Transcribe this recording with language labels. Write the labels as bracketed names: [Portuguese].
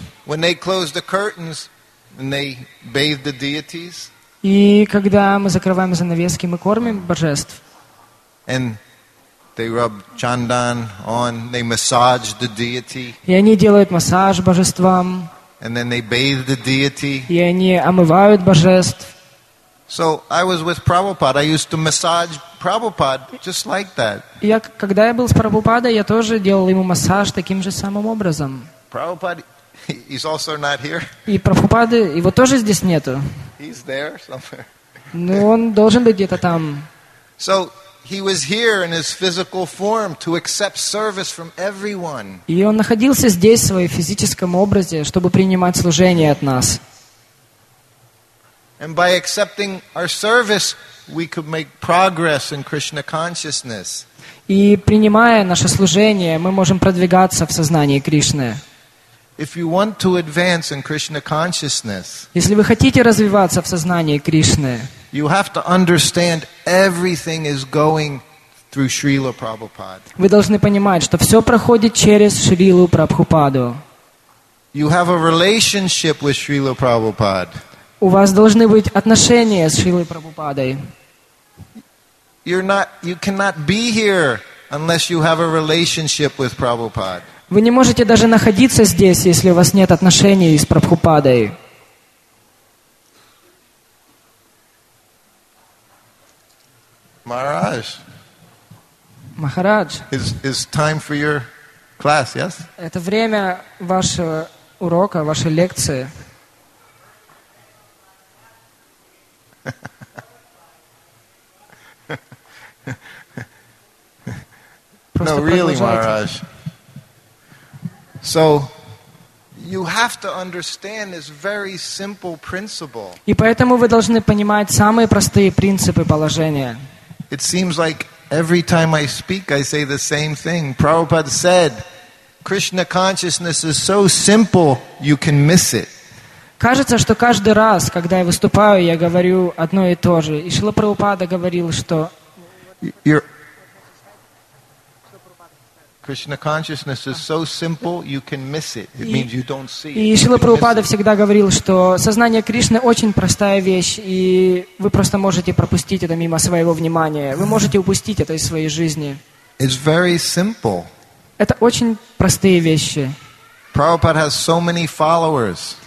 [English] When they close the curtains and they bathe the deities. [Russian] И когда мы закрываем занавески, мы кормим божеств. [English] And they rub chandan on, they massage the deity. [Russian] И они делают массаж божествам. [English] And then they bathe the deity. [Russian] И они омывают божеств. [English] So I was with Prabhupada. I used to massage Prabhupada just like that. [Russian] Я когда я был с Прабхупадой, я тоже делал ему массаж таким же самым образом. [English] Prabhupada, he's also not here. [Russian] И Прабхупады его тоже здесь нету. [English] He's there somewhere. [Russian] Но он должен быть где-то там. [English] So he was here in his physical form to accept service from everyone. [Russian] И он находился здесь в своем физическом образе, чтобы принимать служение от нас. [English] And by accepting our service, we could make progress in Krishna consciousness. [Russian] И принимая наше служение, мы можем продвигаться в сознании Кришны. [English] If you want to advance in Krishna consciousness, [Russian] если вы хотите развиваться в сознании Кришны, [English] You have to understand everything is going through Srila Prabhupada. [Russian] Вы должны понимать, что все проходит через Шрилу Прабхупаду. [English] You have a relationship with Srila Prabhupada. [Russian] У вас должны быть отношения с Шрилой Прабхупадой. [English] You cannot be here unless you have a relationship with Prabhupada. [Russian] Вы не можете даже находиться здесь, если у вас нет отношений с Прабхупадой. [English] Maharaj. Maharaj. It's time for your class, yes? [Russian] Это время вашего урока, вашей лекции. [English] No, really, Maharaj. So you have to understand this very simple principle. [Russian] И поэтому вы должны понимать самые простые принципы положения. [English] It seems like every time I speak, I say the same thing. Prabhupada said, "Krishna consciousness is so simple, you can miss it." [Russian] Кажется, что каждый раз, когда я выступаю, я говорю одно и то же. И Шрила Прабхупада говорил, что [English] Krishna consciousness is so simple, you can miss it. It means you don't see it. [Russian] И Шрила Прабхупада всегда говорил, что сознание Кришны очень простая вещь, и вы просто можете пропустить это мимо своего внимания. Вы можете упустить это из своей жизни. [English] It's very simple. [Russian] Это очень простые вещи. [English] Prabhupada has so many followers.